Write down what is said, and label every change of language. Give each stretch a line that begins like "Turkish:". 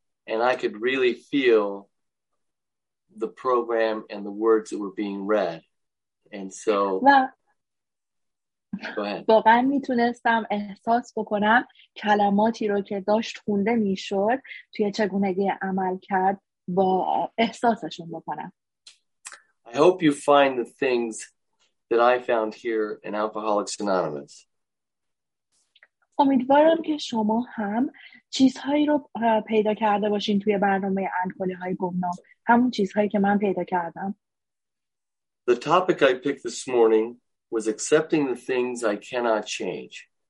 English: And I could really feel the program and the words that were being read. And so
Persian: واقعا میتونستم احساس بکنم کلماتی رو که داشت خونده میشد توی چگونگی عمل کرد با احساسشون بکنم.
English: I hope you find the things that I found here in Alcoholics Anonymous.
Persian: امیدوارم که شما هم چیزهایی رو پیدا کرده باشین توی برنامه الکلی‌های گمنام، همون چیزهایی که من پیدا کردم.
English: The topic I picked this morning was accepting the things I cannot change.